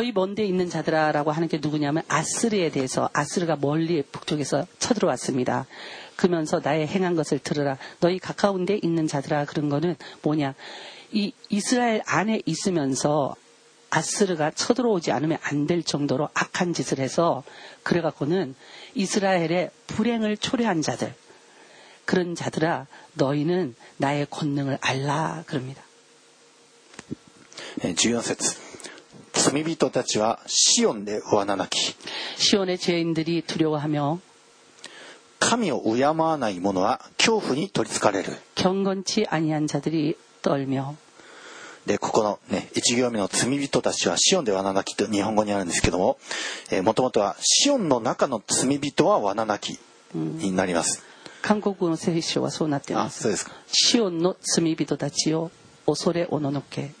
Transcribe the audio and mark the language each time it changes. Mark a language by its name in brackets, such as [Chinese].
[Korean] 너희먼데있는자들아라고하는게누구냐면아스르에대해서아스르가멀리북쪽에서쳐들어왔습니다그러면서나의행한것을들으라너희가까운데있는자들아그런거는뭐냐이이스라엘안에있으면서아스르가쳐들어오지않으면안될정도로악한짓을해서그래갖고는이스라엘의불행을초래한자들그런자들아너희는나의권능을알라그럽니다 [Japanese] 14節罪人たちはシオンで罠なき [Korean] 시온의죄인들이두려워하며 [Japanese] 神を敬わない者は恐怖に取りつかれる [Korean] 경건치아니한자들이떨며 [Japanese] でここの、ね、1行目の罪人たちはシオンで罠なきと日本語にあるんですけどももともとはシオンの中の罪人は罠なきになります、うん韓国の聖書はそうなってます。あ、そうですか。シオンの罪人たちを恐れおののけ。